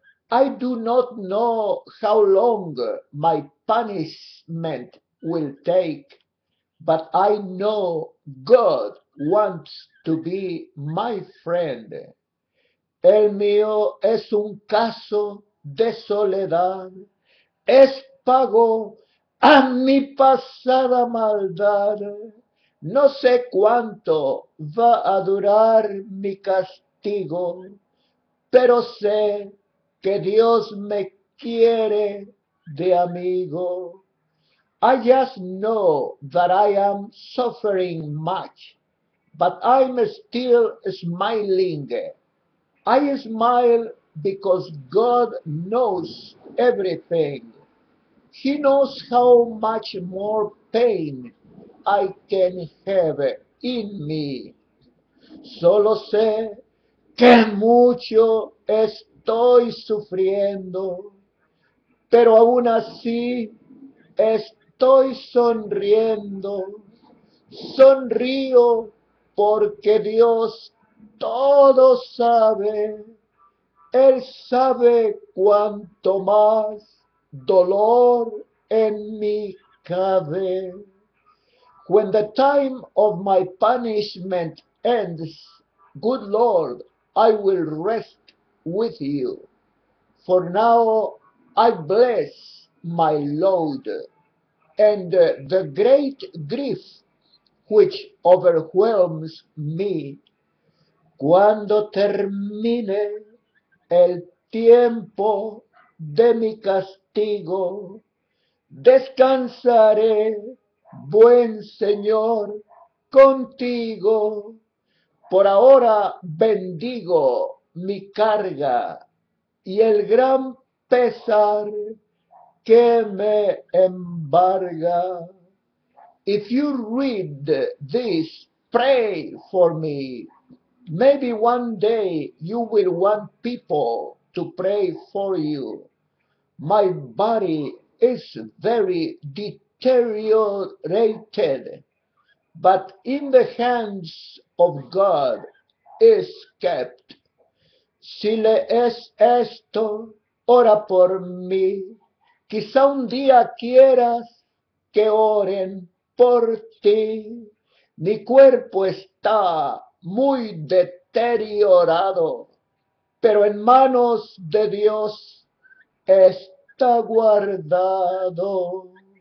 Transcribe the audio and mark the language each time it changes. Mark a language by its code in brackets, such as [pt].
[en] I do not know how long my punishment will take, but I know God wants to be my friend. [es] El mío es un caso de soledad, es pago a mi pasada maldad. No sé cuánto va a durar mi castigo, pero sé que Dios me quiere de amigo. [en] I just know that I am suffering much, but I'm still smiling. I smile because God knows everything. He knows how much more pain I can have in me. [es] Solo sé que mucho estoy sufriendo, pero aún así estoy sonriendo. Sonrío porque Dios todo sabe, Él sabe cuánto más dolor en mí cabe. [en] When the time of my punishment ends, good Lord, I will rest with you. For now, I bless my load, and the great grief which overwhelms me. [es] Cuando termine el tiempo de mi castigo, descansaré, buen Señor, contigo. Por ahora bendigo mi carga y el gran pesar que me embarga. [en] If you read this, pray for me. Maybe one day you will want people to pray for you. My body is very deteriorated, but in the hands of God is kept. [es] Si lees esto, ora por mí. Quizá un día quieras que oren por ti. Mi cuerpo está muy deteriorado, pero en manos de Dios está guardado.